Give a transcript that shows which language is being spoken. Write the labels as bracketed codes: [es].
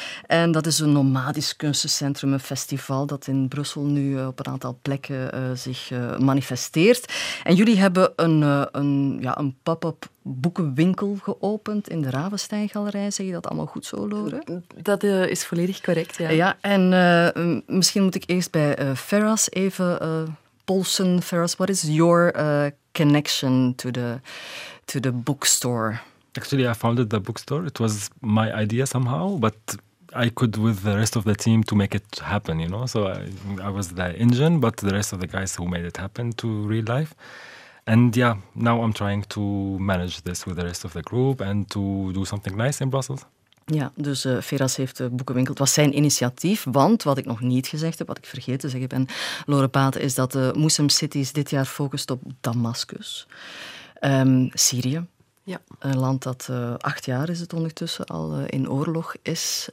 [nl] En dat is een nomadisch kunstencentrum, een festival dat in Brussel nu op een aantal plekken zich manifesteert. En jullie hebben een pop-up boekenwinkel geopend in de Ravensteingalerij. Zeg je dat allemaal goed zo, Lore? Dat is volledig correct, ja. Ja, en misschien moet ik eerst bij Feras even... Polsen, [en] Feras, what is your connection to the bookstore? Actually, I founded the bookstore. It was my idea somehow, but I could with the rest of the team to make it happen, you know. So I was the engine, but the rest of the guys who made it happen to real life. And yeah, now I'm trying to manage this with the rest of the group and to do something nice in Brussels. [nl] Ja, dus Feras heeft de boekenwinkel. Het was zijn initiatief, want wat ik nog niet gezegd heb, wat ik vergeten te zeggen ben, Lore Baten, is dat de Muslim Cities dit jaar focust op Damascus, Syrië. Ja. Een land dat 8 jaar is het ondertussen al in oorlog is.